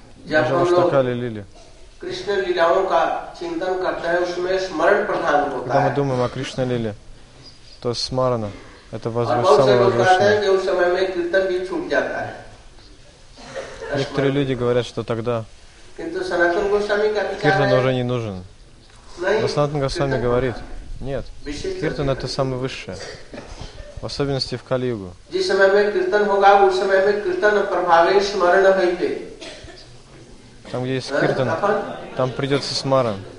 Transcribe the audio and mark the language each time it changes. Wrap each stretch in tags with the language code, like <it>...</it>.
<hi>जब हम लोग कृष्ण लीलाओं का चिंतन करते हैं उसमें स्मरण प्रधान होता है</hi> <ru>когда мы думаем о Кришна лиле то смарана это самое возвышенное</ru> <hi>और उस समय में कीर्तन भी छूट जाता है</hi> <ru>некоторые люди говорят что тогда</ru> <hi>किंतु सनातन गोस्वामी कहते हैं</hi> <ru>कीर्तन уже не нужен но सनातन गोस्वामी говорит нет कीर्तन это самое высшее в особенности в кали-югу</ru> <hi>जिस समय में कीर्तन होगा उस समय में कीर्तन प्रभावी स्मरण होते</hi> <ru>Там, где есть киртан, там придется смара.</ru>